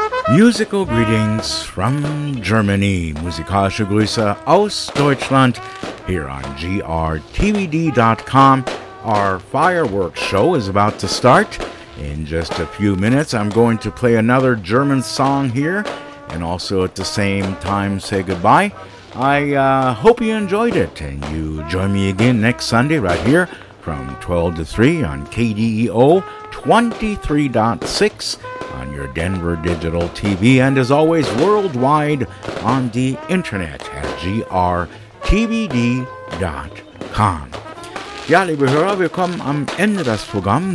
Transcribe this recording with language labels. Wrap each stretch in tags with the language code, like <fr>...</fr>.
<en>Musical greetings from Germany.</en> <de>Musikalische Grüße aus Deutschland</de> <en>here on</en> <de>grtvd.com.</de> <en>Our fireworks show is about to start in just a few minutes. I'm going to play another German song here and also at the same time say goodbye. I hope you enjoyed it and you join me again next Sunday right here from 12 to 3 on KDEO 23.6 on your Denver Digital TV, and as always, worldwide on the internet at grtvd.com.</en> <de>Ja, liebe Hörer, wir kommen am Ende des Programms.</de>